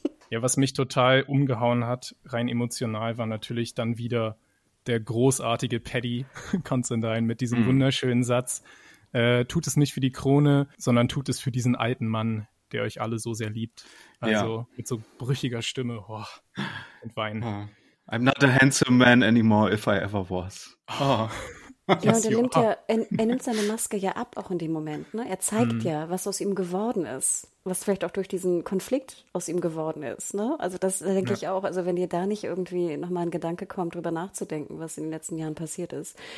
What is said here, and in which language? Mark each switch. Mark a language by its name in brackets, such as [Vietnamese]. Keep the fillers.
[German] ja, was mich total umgehauen hat, rein emotional, war natürlich dann wieder der großartige Paddy Constantine mit diesem mm. wunderschönen Satz. Äh, tut es nicht für die Krone, sondern tut es für diesen alten Mann, der euch alle so sehr liebt. Also yeah. mit so brüchiger Stimme oh, und weinen. [English] I'm not a handsome man anymore, if I ever was. Oh. [German] Ja, und was er nimmt ja, are. er, nimmt seine Maske ja ab auch in dem Moment. Ne? Er zeigt hm. ja, was aus ihm geworden ist was vielleicht auch durch diesen Konflikt aus ihm geworden ist. Ne? Also das denke ja. ich auch. Also wenn ihr da nicht irgendwie nochmal ein Gedanke kommt, darüber nachzudenken, was in den letzten Jahren passiert ist.